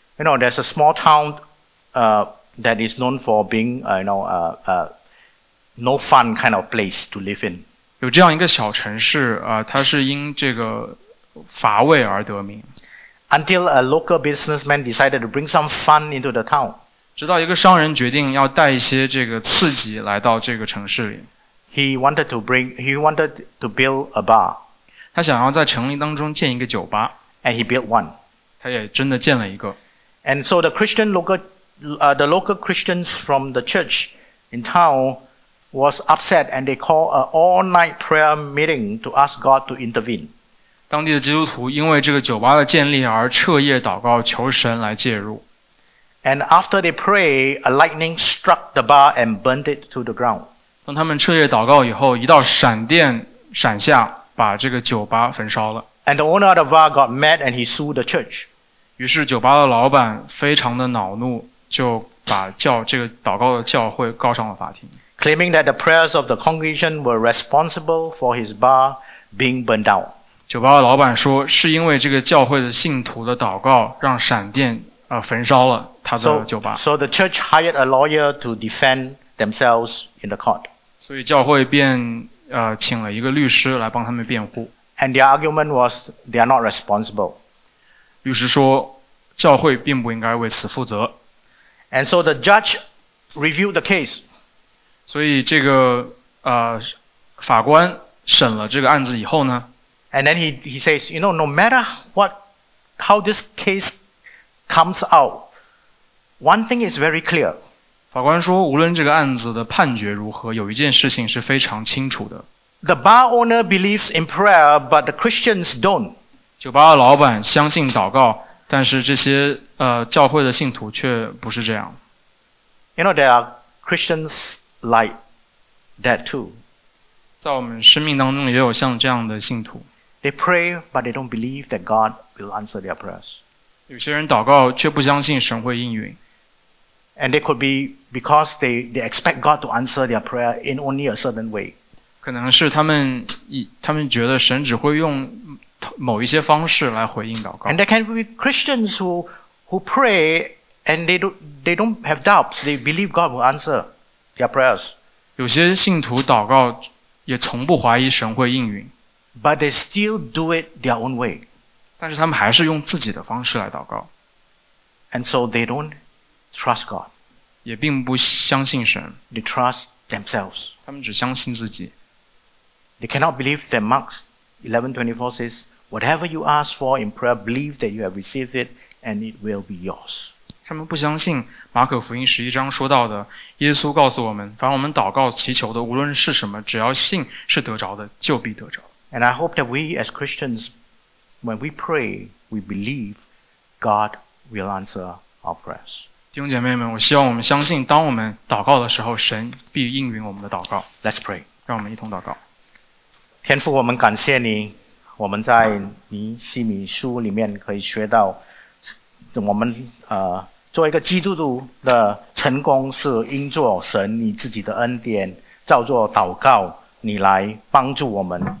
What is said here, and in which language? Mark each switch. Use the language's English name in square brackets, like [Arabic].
[English] You know, there's a small town, that is known for being, you know, no fun kind of place to live in. [Chinese] 有这样一个小城市，它是因这个乏味而得名。 [English] Until a local businessman decided to bring some fun into the town. [Chinese] 直到一个商人决定要带一些这个刺激来到这个城市里。 [English] He wanted to build a bar. [Chinese] 他想要在城里当中建一个酒吧。 [English] And he built one. [Chinese] 他也真的建了一个。 [English] And so the local Christians from the church in town was upset and they called an all-night prayer meeting to ask God to intervene. [Chinese] 当地的基督徒因为这个酒吧的建立而彻夜祷告，求神来介入。 [English] And after they pray, a lightning struck the bar and burned it to the ground. [Chinese] 当他们彻夜祷告以后，一道闪电闪下，把这个酒吧焚烧了。 [English] And the owner of the bar got mad and he sued the church. [Chinese] 于是酒吧的老板非常的恼怒，就把这个祷告的教会告上了法庭。 [English] Claiming that the prayers of the congregation were responsible for his bar being burned out. [Chinese] 酒吧的老板说，是因为这个教会的信徒的祷告让闪电焚烧了他的酒吧。 [English] So the church hired a lawyer to defend themselves in the court. [Chinese] 所以教会便请了一个律师来帮他们辩护。 [English] And their argument was they are not responsible. [Chinese] 律师说教会并不应该为此负责。 [English] And so the judge reviewed the case. [Chinese] 所以这个法官审了这个案子以后呢。 [English] And then he says, you know, no matter how this case comes out, one thing is very clear. [Chinese] 法官说，无论这个案子的判决如何，有一件事情是非常清楚的。 [English] The bar owner believes in prayer, but the Christians don't. [Chinese] 酒吧的老板相信祷告，但是这些教会的信徒却不是这样。 [English] You know, there are Christians like that too. [Chinese] 在我们生命当中也有像这样的信徒。 [English] They pray, but they don't believe that God will answer their prayers. [Chinese] 有些人祷告却不相信神会应允。 [English] And it could be because they expect God to answer their prayer in only a certain way. [Chinese] 可能是他们觉得神只会用某一些方式来回应祷告。 [English] And there can be Christians who pray and they don't have doubts. They believe God will answer their prayers. [Chinese] 有些信徒祷告也从不怀疑神会应允。 [English] But they still do it their own way. [Chinese] 但是他们还是用自己的方式来祷告。 [English] And so they don't trust God. [Chinese] 也并不相信神。 [English] They trust themselves. [Chinese] 他们只相信自己。 [English] They cannot believe that Mark 11:24 says, whatever you ask for in prayer, believe that you have received it and it will be yours. [Chinese] 他们不相信马可福音十一章说到的，耶稣告诉我们，凡我们祷告祈求的，无论是什么，只要信是得着的，就必得着。 [English] And I hope that we as Christians, when we pray, we believe God will answer our prayers. [Chinese] 弟兄姐妹们，我希望我们相信，当我们祷告的时候，神必应允我们的祷告。 [English] Let's pray. [Chinese] 让我们一同祷告。天父，我们感谢你，我们在尼西米书里面可以学到，我们做一个基督徒的成功是因着神你自己的恩典，照着祷告，你来帮助我们。